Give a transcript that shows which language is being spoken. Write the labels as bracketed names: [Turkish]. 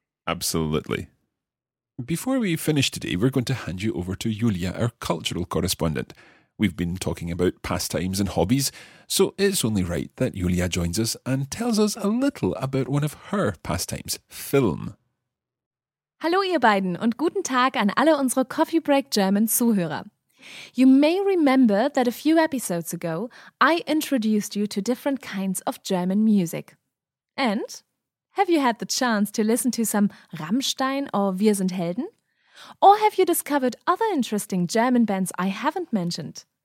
[English] Absolutely. Before we finish today, we're going to hand you over to Yulia, our cultural correspondent. We've been talking about pastimes and hobbies, so it's only right that Yulia joins us and tells us a little about one of her pastimes, film. [German] Hallo ihr beiden und guten Tag an alle unsere Coffee Break German Zuhörer. [English] You may remember that a few episodes ago, I introduced you to different kinds of German music. And have you had the chance to listen to some Rammstein or Wir sind Helden? Or have you discovered other interesting German bands I haven't mentioned?